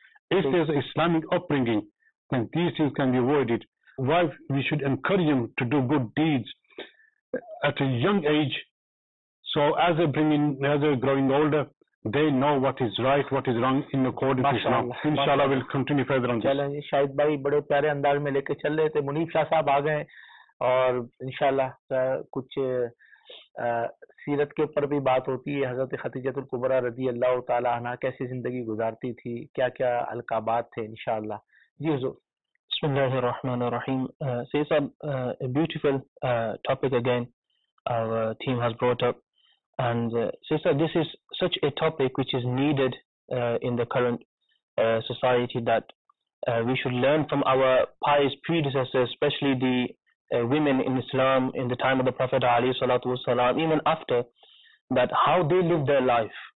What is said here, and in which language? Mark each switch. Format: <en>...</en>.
<en>If there's Islamic upbringing, then these things can be avoided. Wife, we should encourage them to do good deeds at a young age. So as they bring in, as they're growing older, they know what is right, what is wrong in accordance with Islam. Inshallah, we'll continue further on this.</en> <ur>Shahid bhai, bade pyare andaaz mein leke chal rahe the. Munif Shah saab aa gaye, aur inshallah kuch سیرت کے اوپر بھی بات ہوتی ہے. حضرت خدیجہ الکبریٰ رضی اللہ تعالیٰ عنہ کیسے زندگی گزارتی تھی, کیا کیا القابات تھے, انشاءاللہ. جی حضور.</ur> <ar>بسم اللہ الرحمن الرحیم.</ar> <en>Syed sahab, a beautiful topic again our team has brought up, and Syed sahab, this is such a topic which is needed in the current society that we should learn from our pious predecessors, especially the women in Islam in the time of the Prophet alayhi salatu wasalam, even after that, how they lived their life.</en>